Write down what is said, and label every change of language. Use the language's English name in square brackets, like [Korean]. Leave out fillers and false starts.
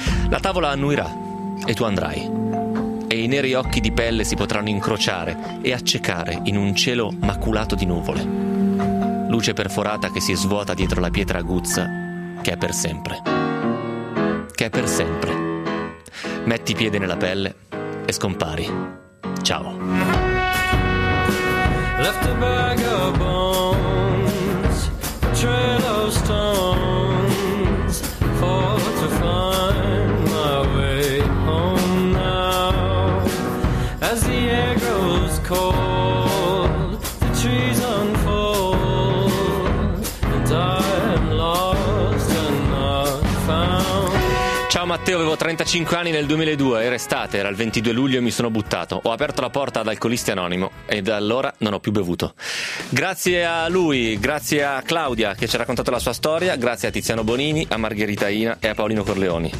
[Italian] La tavola annuirà e tu andrai. E i neri occhi di pelle si potranno incrociare e accecare in un cielo maculato di nuvole. Luce perforata che si svuota dietro la pietra aguzza, che è per sempre. Che è per sempre. Metti piede nella pelle e scompari. Ciao. [English] Left a bag of bones, a trail of stones, for to find my way home now. As the air grows cold, the trees unfold, and I am lost and not found. [Italian] Ciao Matteo, avevo 35 anni nel 2002, era estate, era il 22 luglio e mi sono buttato. Ho aperto la porta ad Alcolisti Anonimo e da allora non ho più bevuto. Grazie a lui, grazie a Claudia che ci ha raccontato la sua storia, grazie a Tiziano Bonini, a Margherita Ina e a Paolino Corleoni.